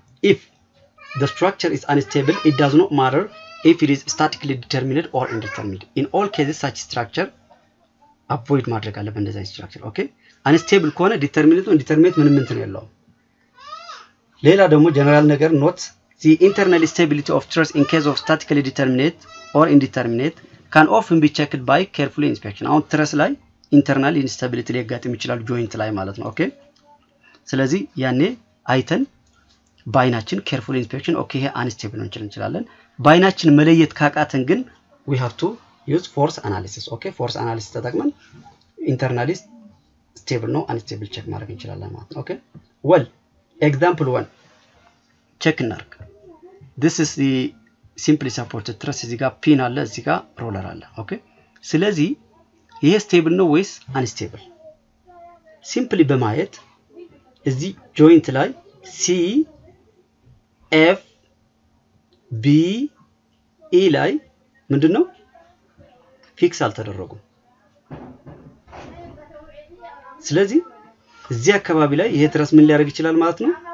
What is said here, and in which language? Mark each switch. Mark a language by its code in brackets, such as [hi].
[en] if the structure is unstable it does not matter if it is statically determinate or indeterminate in all cases such structure avoid [am] ማድረግ አለብን እንደዚህ [en] structure. okay unstable [am] ከሆነ determinate indeterminate ምንም እንትን የለውም። ሌላ ደግሞ general ነገር [en] note the internal stability of truss in case of statically determinate or indeterminate can often be checked by careful inspection. [am] አሁን truss ላይ internal instability ሊያጋጥም ይችላል joint ላይ ማለት ነው። okay ስለዚህ ያኔ አይተን ባይናችን careful inspection [en] okay here unstable [am] ነው እንችላለን። ባይናችን መለየት ካቃተን ግን [en] we have to use force analysis. [am] okay force analysis ተጠቅመን internal stable ነው unstable check ማድረግ እንችላለን ማለት ነው። okay well example 1 check እናርግ። [en] this is the simply supported truss [am] እዚህ ጋር pin አለ እዚህ ጋር roller አለ። okay ስለዚህ ይሄ stable ነው ወይስ unstable? simply በማየት እዚህ joint ላይ c f b e ላይ ምንድነው ፊክስ አልተደረጉም። ስለዚህ እዚህ አካባቢ ላይ ይሄ ትረስ ምን ሊያደርግ ይችላል ማለት ነው?